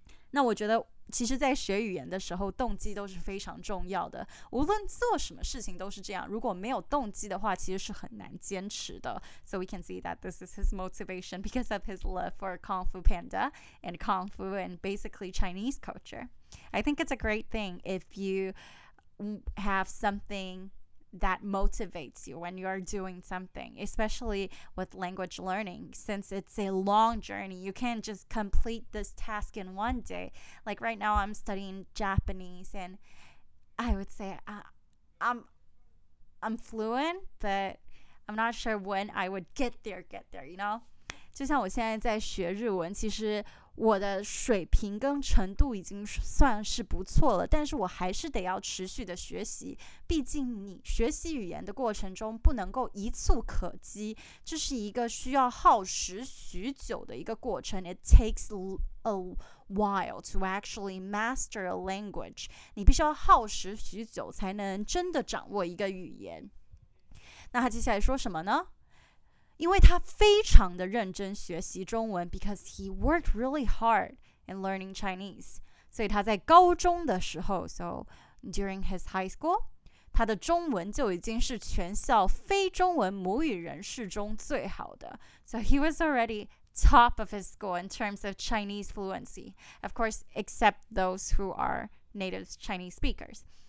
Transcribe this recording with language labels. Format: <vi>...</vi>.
<zh>那我觉得其实在学语言的时候动机都是非常重要的无论做什么事情都是这样如果没有动机的话其实是很难坚持的</zh> <en>So we can see that this is his motivation because of his love for Kung Fu Panda and Kung Fu and basically Chinese culture I think it's a great thing if you have somethingthat motivates you when you are doing something, especially with language learning, since it's a long journey. You can't just complete this task in one day. Like right now, I'm studying Japanese, and I would say I'm fluent, but I'm not sure when I would get there, you know?</en> <zh>就像我现在在学日文，其实我的水平跟程度已经算是不错了，但是我还是得要持续的学习。毕竟你学习语言的过程中不能够一蹴可及，这是一个需要耗时许久的一个过程。</zh> <en>It takes a while to actually master a language.</en> <zh>你必须要耗时许久才能真的掌握一个语言。那他接下来说什么呢？因为他非常的认真学习中文</zh> <en>because he worked really hard in learning Chinese</en> <zh>所以他在高中的时候</zh> <en>so during his high school</en> <zh>他的中文就已经是全校非中文母语人士中最好的</zh> <en>so he was already top of his school in terms of Chinese fluency of course except those who are native Chinese speakers</en>